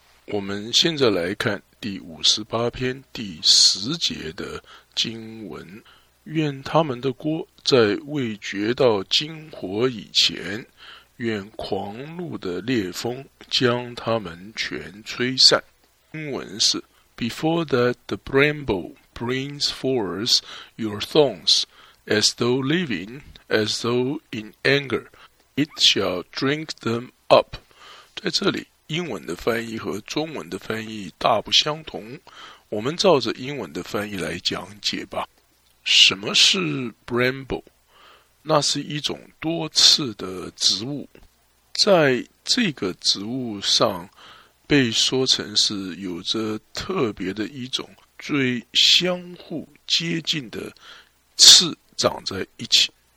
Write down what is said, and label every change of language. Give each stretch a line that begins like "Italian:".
Chinese: 我们现在来看第五十八篇第十节的经文，愿他们的锅在未掘到金火以前，愿狂怒的烈风将他们全吹散。
English: 英文是 Before that the bramble brings forth your thorns, as though living, as though in anger, it shall drink them up.
Chinese: 在这里英文的翻译和中文的翻译大不相同，我们照着英文的翻译来讲解吧。什么是 bramble？那是一种多刺的植物，在这个植物上被说成是有着特别的一种最相互接近的刺长在一起。